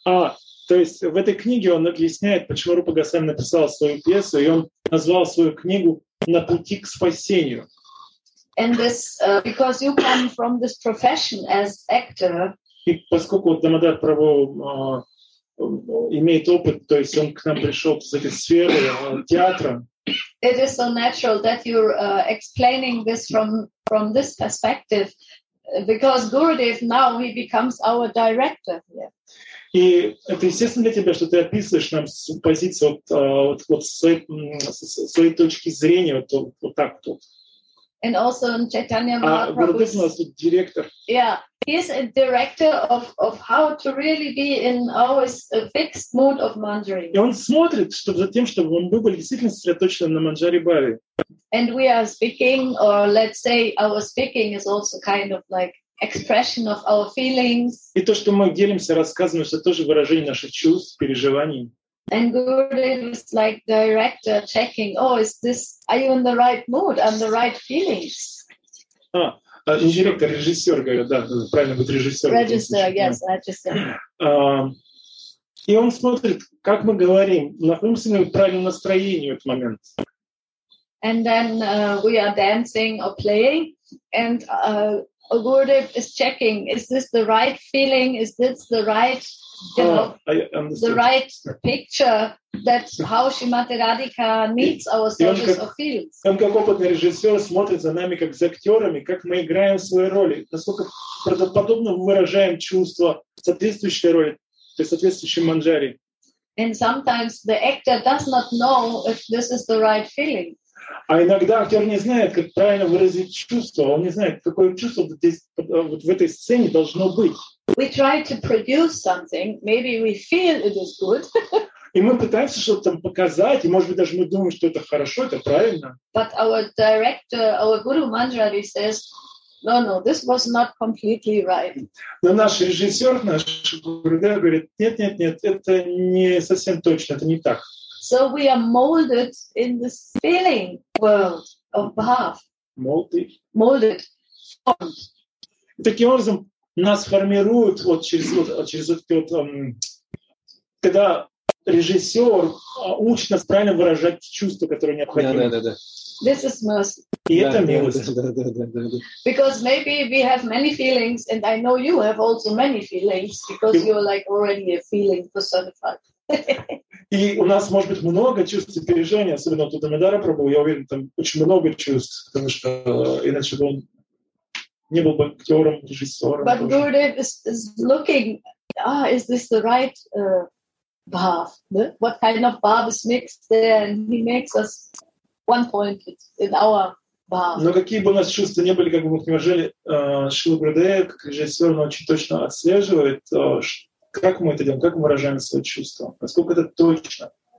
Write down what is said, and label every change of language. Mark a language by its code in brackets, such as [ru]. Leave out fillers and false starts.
[ru] То есть в этой книге он объясняет, почему Рупа Госвами написал свою пьесу, и он назвал свою книгу «На пути к спасению». [en] And this, because you come from this profession as actor. [ru] И поскольку вот Дамодар Прабху имеет опыт, то есть он к нам пришел с этой сферы театра. [en] It is so natural that you're explaining this from this perspective, because Gurudev now he becomes our director here. [ru] И это естественно для тебя, что ты описываешь нам позицию вот своей точки зрения вот так тут. [en] And also in Chaitanya Mahaprabhu's... Gurudev was the director. Yeah, he's a director of how to really be in always a fixed mood of Manjari. [ru] И он смотрит, чтобы за тем, чтобы мы были действительно сосредоточены на Манджари Бхаве. [en] And we are speaking, or let's say our speaking is also kind of like expression of our feelings. [ru] И то, что мы делимся, рассказываем, это тоже выражение наших чувств, переживаний. [en] And Gurudev is like director checking, are you in the right mood and the right feelings? [ru] Director, режиссер, говорю, да, правильно будет режиссер. [en] Register, yes, register. [ru] И он смотрит, как мы говорим, находимся ли в правильном настроении в этот момент. [en] And then we are dancing or playing, and Gurudev is checking, is this the right feeling? Is this the right, you know, the right picture that how Shrimati Radhika meets our soldiers or feels? [ru] Он как опытный режиссер смотрит за нами как за актерами, как мы играем свои роли, насколько правдоподобно выражаем чувства соответствующей роли, то есть соответствующей манджари. [en] And sometimes the actor does not know if this is the right feeling. [ru] А иногда актер не знает, как правильно выразить чувство. Он не знает, какое чувство вот в этой сцене должно быть. [en] We try to produce something. Maybe we feel it is good. [ru] И мы пытаемся что-то там показать, и, может быть, даже мы думаем, что это хорошо, это правильно. [en] But our director, our guru Manjari says, no, no, this was not completely right. [ru] Но наш режиссер, наш гуру, да, говорит, нет, нет, нет, это не совсем точно, это не так. [en] So we are molded in this feeling world of Bhav. Molded. [ru] Таким образом, нас формируют вот через вот этот когда режиссер учит нас правильно выражать чувства, которые необходимы. Да, да, да. [en] This is mercy. [ru] И это милость. [en] Because maybe we have many feelings, and I know you have also many feelings, because you're like already a feeling personified. [ru] И у нас может быть много чувств и переживаний, особенно тут Амидара пробовал, я уверен, там очень много чувств, потому что иначе бы он не был бы актером, режиссером. [en] But Gurudev is looking, is this the right bhav? What kind of bhav is mixed there? And he makes us one point in our bhav. [ru] Но какие бы у нас чувства не были, как бы мы к нему жили, Шрила Гурудев, как режиссер, он очень точно отслеживает, как мы это делаем, как мы выражаем свои чувства, насколько это точно.